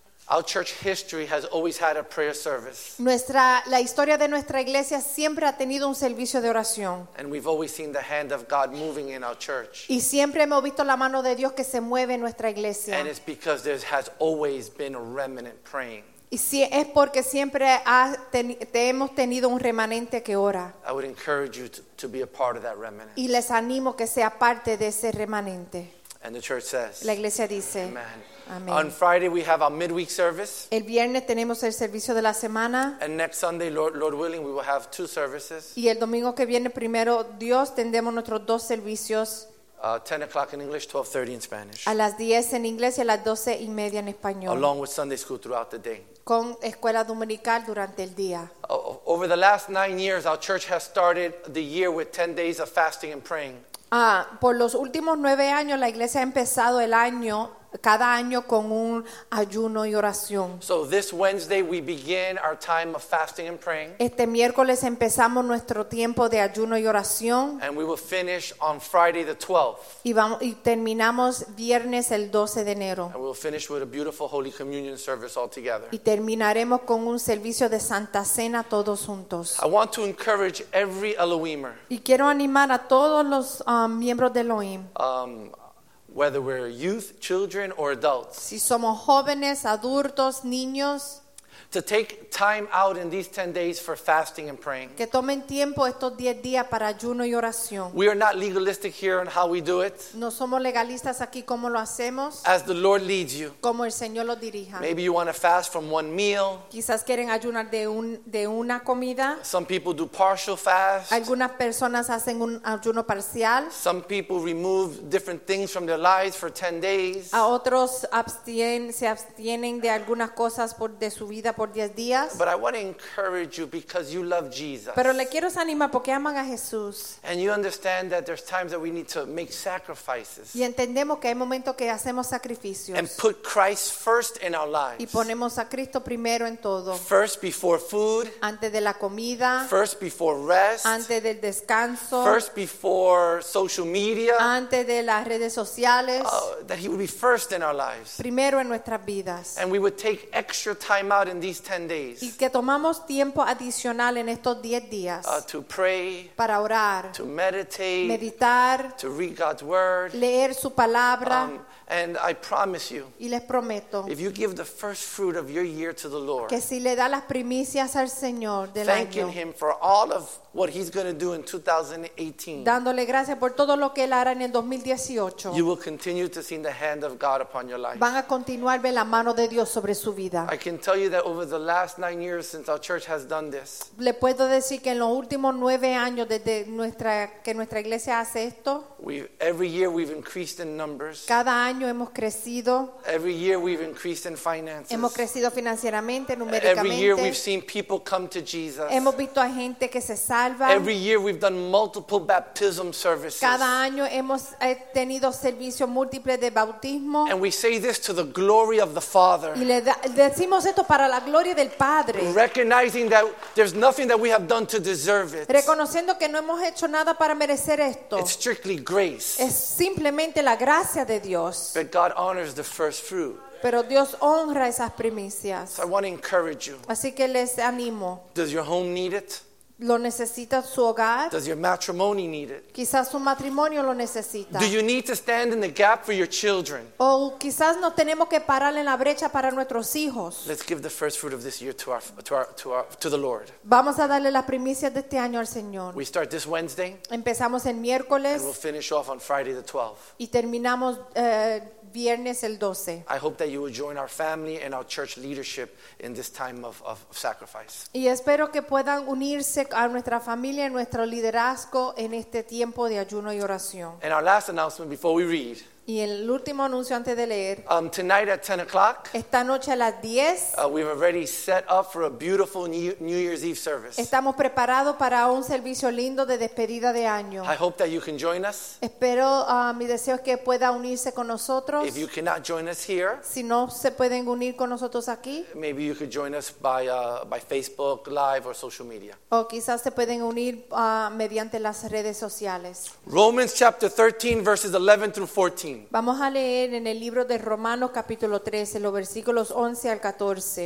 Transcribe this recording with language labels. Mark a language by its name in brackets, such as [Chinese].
[English] Our church history has always had a prayer service. [Spanish] La historia de nuestra iglesia siempre ha tenido un servicio de oración. [English] And we've always seen the hand of God moving in our church. [Spanish] Y siempre hemos visto la mano de Dios que se mueve en nuestra iglesia. [English] And it's because there has always been a remnant praying. [Spanish] Y si es porque siempre hemos tenido un remanente que ora. [English] I would encourage you to be a part of that remnant. [Spanish] Y les animo que sea parte de ese remanente. [English] And the church says, [Spanish] la iglesia dice, [English] amen. Amen. On Friday we have our midweek service. [Spanish] El viernes tenemos el servicio de la semana. [English] And next Sunday, Lord willing, we will have two services. [Spanish] Y el domingo que viene primero Dios tendremos nuestros dos servicios. [English] 10:00 in English, 12:30 in Spanish. [Spanish] A las 10 en inglés y a las 12 y media en español. [English] Along with Sunday school throughout the day. [Spanish] Con escuela dominical durante el día. [English] Over the last 9 years, our church has started the year with 10 days of fasting and praying. [Spanish] Por los últimos 9 años, la iglesia ha empezado el año cada año con un ayuno y oración. [English] So this Wednesday we begin our time of fasting and praying. [Spanish] Este miércoles empezamos nuestro tiempo de ayuno y oración. [English] And we will finish on Friday the 12th. [Spanish] Y terminamos viernes el 12 de enero. [English] And we'll finish with a beautiful Holy Communion service all together. [Spanish] Y terminaremos con un servicio de Santa Cena todos juntos. [English] I want to encourage every Elohimer. [Spanish] Y quiero animar a todos los miembros de Elohim. [English] Whether we're youth, children, or adults. [Spanish] Si somos jóvenes, adultos, niños. [English] To take time out in these 10 days for fasting and praying. [Spanish] Que tomen tiempo estos 10 días para ayuno y oración. [English] We are not legalistic here on how we do it. [Spanish] No somos legalistas aquí como lo hacemos. [English] As the Lord leads you. [Spanish] Como el Señor lo dirija. [English] Maybe you want to fast from one meal. [Spanish] Quizás quieren ayunar de una comida. [English] Some people do partial fast. [Spanish] Algunas personas hacen un ayuno parcial. [English] Some people remove different things from their lives for 10 days. [Spanish] A otros se abstienen de algunas cosas de su vida. Por 10 días. [English] But I want to encourage you because you love Jesus. [Spanish] Pero le quiero animar porque aman a Jesús. [English] And you understand that there's times that we need to make sacrifices. [Spanish] Y entendemos que hay momentos que hacemos sacrificios. [English] And put Christ first in our lives. [Spanish] Y ponemos a Cristo primero en todo. [English] First before food. [Spanish] Antes de la comida. [English] First before rest. [Spanish] Antes del descanso. [English] First before social media. [Spanish] Antes de las redes sociales. [English] That he would be first in our lives. [Spanish] Primero en nuestras vidas. [English] And we would take extra time out in these 10 days. [Spanish] Y que tomamos tiempo adicional en estos 10 días. [English] To pray. [Spanish] Para orar. [English] To meditate. [Spanish] Meditar. [English] To read God's word. [Spanish] Leer su palabra. [English] And I promise you. [Spanish] Y les prometo. [English] If you give the first fruit of your year to the Lord. [Spanish] Que si le da las primicias al Señor del año. [English] Thanking him for all of what he's going to do in 2018. [Spanish] Dándole gracias por todo lo que él hará en el 2018. [English] You will continue to see the hand of God upon your life. [Spanish] Van a continuar ver la mano de Dios sobre su vida. [English] I can tell you that over the last 9 years since our church has done this. [Spanish] Le puedo decir que en los últimos 9 años desde nuestra iglesia hace esto. [English] Every year we've increased in numbers. [Spanish] Cada año hemos crecido. [English] Every year we've increased in finances. [Spanish] Hemos crecido financieramente, numéricamente. [English] Every year we've seen people come to Jesus. [Spanish] Hemos visto a gente que se salva. [English] Every year we've done multiple baptism services. [Spanish] Cada año hemos tenido servicios múltiples de bautismo. [English] And we say this to the glory of the Father. [Spanish] Y le decimos esto para la gloria del Padre. [English] Recognizing that there's nothing that we have done to deserve it. [Spanish] Reconociendo que no hemos hecho nada para merecer esto. [English] It's strictly grace. [Spanish] Es simplemente la gracia de Dios. [English] But God honors the first fruit. [Spanish] Pero Dios honra esas primicias. [English] So I want to encourage you. [Spanish] Así que les animo. [English] Does your home need it? [Spanish] ¿Lo necesita su hogar? [English] Does your matrimony need it? [Spanish] Quizás su matrimonio lo necesita. [English] Do you need to stand in the gap for your children? [Spanish] O quizás no tenemos que parar en la brecha para nuestros hijos. [English] Let's give the first fruit of this year to the Lord. [Spanish] Vamos a darle las primicias de este año al Señor. [English] We start this Wednesday. [Spanish] Empezamos el miércoles. [English] And we'll finish off on Friday the 12th. [Spanish] Y terminamos viernes el 12. [English] I hope that you will join our family and our church leadership in this time of sacrifice. [Spanish] Y espero que puedan unirse a nuestra familia y nuestro liderazgo en este tiempo de ayuno y oración. [English] And our last announcement before we read. [Spanish] Y el último anuncio antes de leer. [English] Tonight at 10:00. [Spanish] Esta noche a las 10. [English] We've already set up for a beautiful New Year's Eve service. [Spanish] Estamos preparados para un servicio lindo de despedida de año. [English] I hope that you can join us. [Spanish] Espero, mi deseo es que pueda unirse con nosotros. [English] If you cannot join us here. [Spanish] Si no se pueden unir con nosotros aquí. [English] Maybe you could join us by Facebook Live or social media. [Spanish] O quizás se pueden unir mediante las redes sociales. [English] Romans chapter 13 verses 11 through 14. [Spanish] Vamos a leer en el libro de Romanos capítulo 13, los versículos 11 al 14.